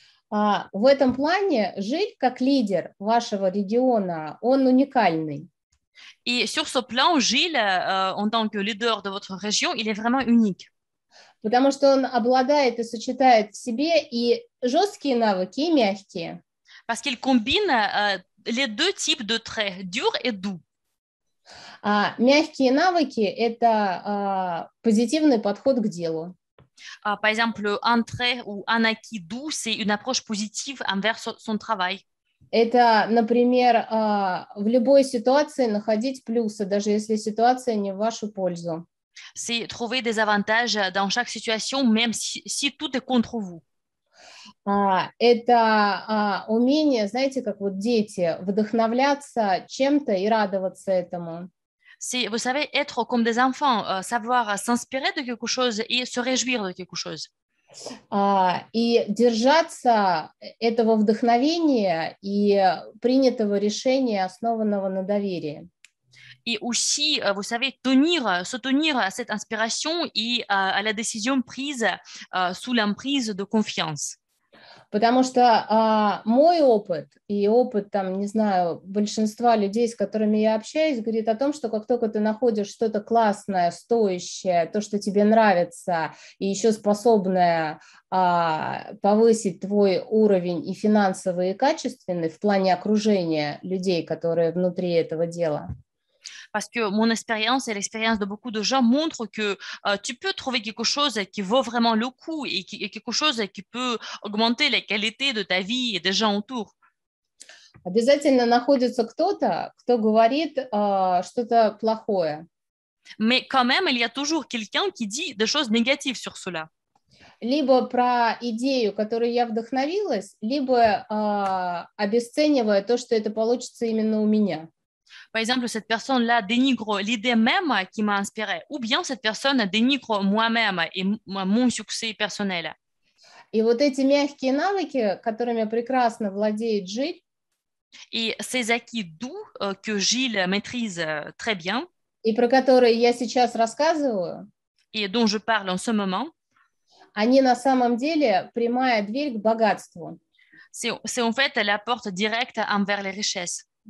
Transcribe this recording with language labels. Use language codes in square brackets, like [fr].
[ru] В этом плане Жиль, как лидер вашего региона, он уникальный. [fr] Et sur ce plan, Жиль, en tant que leader de votre région, il est vraiment unique. [ru] Потому что он обладает и сочетает в себе и жесткие навыки, и мягкие. [fr] Parce qu'il combine les deux types de traits, dur et doux. [ru] Мягкие навыки – это позитивный подход к делу. [fr] Par exemple, un trait ou un acquis doux, c'est une approche positive envers son travail. [ru] Это, например, в любой ситуации находить плюсы, даже если ситуация не в вашу пользу. [fr] C'est trouver des avantages dans chaque situation, même si tout est contre vous. [ru] Это умение, знаете, как вот дети, вдохновляться чем-то и радоваться этому. [fr] C'est, vous savez, être comme des enfants, savoir s'inspirer de quelque chose et se réjouir de quelque chose. [ru] И держаться этого вдохновения и принятого решения, основанного на доверии. [fr] Et aussi, vous savez, se tenir à cette inspiration et à la décision prise sous l'emprise de confiance. [ru] Потому что мой опыт и опыт, там, не знаю, большинства людей, с которыми я общаюсь, говорит о том, что как только ты находишь что-то классное, стоящее, то, что тебе нравится и еще способное повысить твой уровень и финансовый, и качественный в плане окружения людей, которые внутри этого дела. [fr] Parce que mon expérience et l'expérience de beaucoup de gens montrent que tu peux trouver quelque chose qui vaut vraiment le coup et quelque chose qui peut augmenter la qualité de ta vie et des gens autour. [ru] Обязательно находится кто-то, кто говорит что-то плохое. [fr] Mais quand même, il y a toujours quelqu'un qui dit des choses négatives sur cela. [ru] Либо про идею, которой я вдохновилась, либо обесценивая то, что это получится именно у меня. [fr] Par exemple, cette personne-là dénigre l'idée même qui m'a inspirée, ou bien cette personne dénigre moi-même et mon succès personnel. [ru] Et вот эти мягкие навыки, которыми прекрасно владеет Жиль, [fr] et ces acquis doux que Жиль maîtrise très bien, [ru] и про которые я сейчас рассказываю, [fr] et dont je parle en ce moment, [ru] они на самом деле прямая дверь к богатству. [fr] C'est en fait la porte directe envers les richesses.